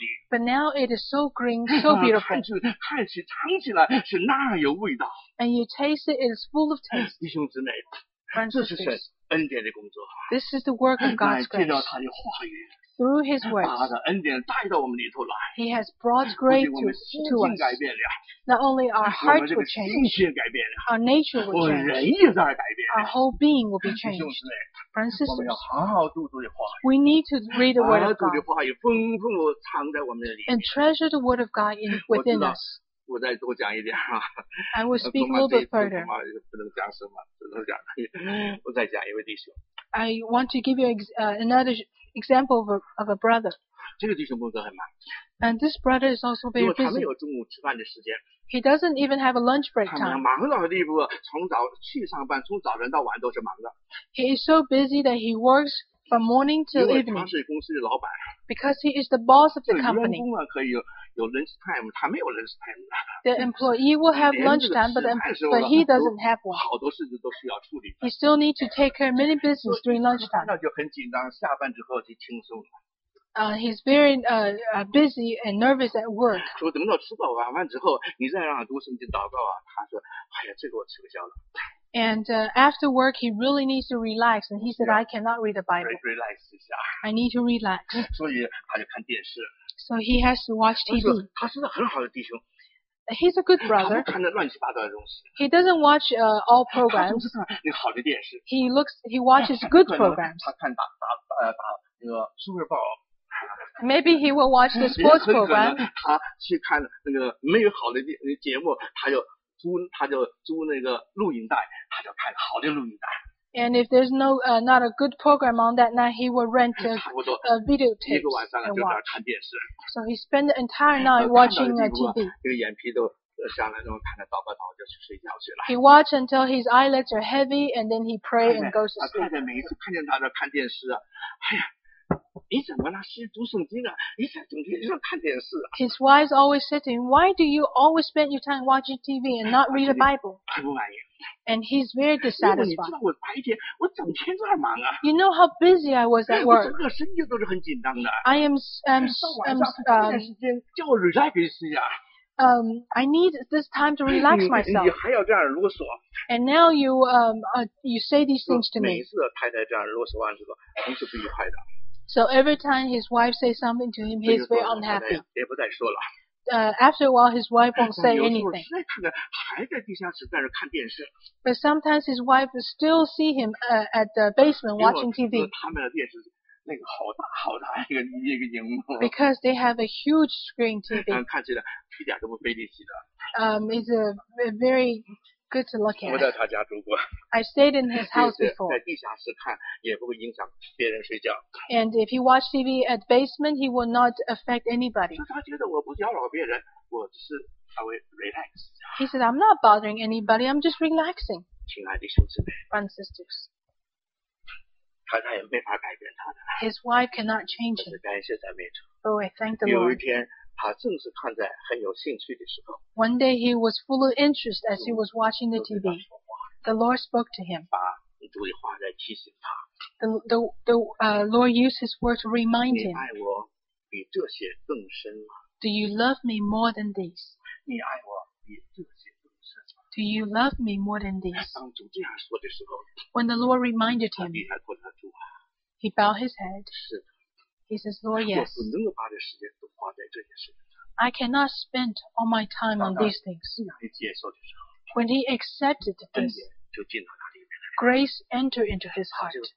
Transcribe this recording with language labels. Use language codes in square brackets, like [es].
[en] But now it is so green, so beautiful. [zh] 看起尝起来是那有味道。 [en] And you taste it, it is full of taste. [zh] 弟兄姊妹，这是神恩典的工作。 [en] This is the work of God's grace. [zh] 借着他的话语。 [en] Through his words, [zh] 把他的恩典带到我们里头来。 [en] He has brought grace to us. [zh] 不仅我们心境改变了。 [en] Not only our heart will change. [zh] 我们这个心境改变了。 [en] Our nature will change. [zh] 我们人也在改变了。 [en] Our whole being will be changed. [zh] 弟兄姊妹。 [en] Francis, [zh] 我们要好好读主的话语。 [en] We need to read the word of God. [zh] 把主的话语丰丰富藏在我们的里面。 [en] And treasure the word of God in, within us. [zh] 我再多讲一点啊。 [en] I will speak a little bit further. [zh] 恐怕不能讲什么，只能讲。我再讲一位弟兄。 [en] I want to give you another example of a brother. [zh] 这个弟兄工作很忙。 [en] And this brother is also very busy. [zh] 因为他没有中午吃饭的时间。 [en] He doesn't even have a lunch break time. [zh] 他忙到的地步，从早去上班，从早晨到晚都是忙的。 [en] He is so busy that he works from morning till evening. [zh] 因为他是公司的老板。 [en] Because he is the boss of the company. [zh] 员工啊可以有 [en] lunch time， [zh] 他没有 lunch time。 [en] The employee will have lunch time， but he doesn't have one。 [zh] 好多事情都需要处理。 [en] He still need to take care of many business during lunch time。 [zh] 那就很紧张，下班之后就轻松了。 [en] He's very busy and nervous at work。 [zh] 说等到吃饱晚饭之后，你再让他读圣经祷告啊，他说，哎呀，这个我吃不消了。 [en] And after work, he really needs to relax. And he said, yeah, I cannot read the Bible. [zh] Relax 一下。 [en] I need to relax. [zh] 所以他就看电视。 [en] So he has to watch TV. [zh] 他是个很好的弟兄。 [en] He's a good brother. [zh] 他不看那乱七八糟的东西。 [en] He doesn't watch all programs. [zh] 他就是看那好的电视。 [en] He watches good programs. [zh] 他看打那个 Super Bowl。 [en] Maybe he will watch the sports program. [zh] 他去看那个没有好的节目，他就租那个录影带，他就看好的录影带。 [en] And if there's no not a good program on that night, he will rent a video tape. [zh] 一个晚上就在那看电视。 [en] So he spent the entire night watching a TV. [zh] 这个眼皮都下来，然后看着倒吧倒，就去睡觉去了。 [en] He watched until his eyelids are heavy, and then he pray and goes to sleep. [zh] 他太太每一次看见他在看电视啊，哎呀。你怎么了？是读圣经啊？你在整天就看电视啊 [en] ？His wife always said to him, "Why do you always spend your time watching TV and not read the Bible?" [zh] 他不满意。 [en] And he's very dissatisfied. [zh] 因为你知道我白天我整天在忙啊。 [en] You know how busy I was at work. [zh] 我整个身体都是很紧张的。 [en] I am I need this time to relax myself. [zh] 你还要这样啰嗦。 [en] And now you you say these things to me. [zh] 每次太太这样啰嗦完之后，都是不愉快的。 [en] So every time his wife says something to him, he's very unhappy. [zh] 别不再说了。 [en] After a while, his wife won't say anything. [zh] 还在地下室在那看电视。 [en] But sometimes his wife will still see him at the basement watching TV. [zh] 因为他们的电视那个好大好大一个荧幕。 [en] Because they have a huge screen TV. [zh] 看起来一点都不费力气的。 [en] It's a very good to look at. [zh] 我在他家住过。 [en] I stayed in his house before. [zh] 在地下室看也不会影响别人睡觉。 [en] And if he watched TV at basement, he will not affect anybody. [zh] 他觉得我不打扰别人，我只是稍微 relax. [en] He said, I'm not bothering anybody, I'm just relaxing. [zh] 亲爱的兄弟们。 [en] Brothers and sisters. [zh] 他也没法改变他的。 [en] His wife cannot change him. [zh] 感谢赞美主。 [en] Oh, I thank the Lord. [zh] 有一天他正是看在很有兴趣的时候。 [en] One day he was full of interest as he was watching the TV. The Lord spoke to him. [zh] 把你读的话来提醒他。 [en] Lord used his word to remind him. [zh] 你爱我比这些更深吗？ [en] Do you love me more than these? [zh] 你爱我比这些更深吗？ [en] Do you love me more than these? [zh] 当主这样说的时候。 [en] When the Lord reminded him. [zh] 他低下头来读啊。 [en] He bowed his head. [zh] 是的。 [en] He says, Lord, yes. [zh] 我不能把这时间都花在这些事情上。 [en] I cannot spend all my time on these things. [zh] 当他接受的时候。 [en] When he accepted this, grace entered into his heart.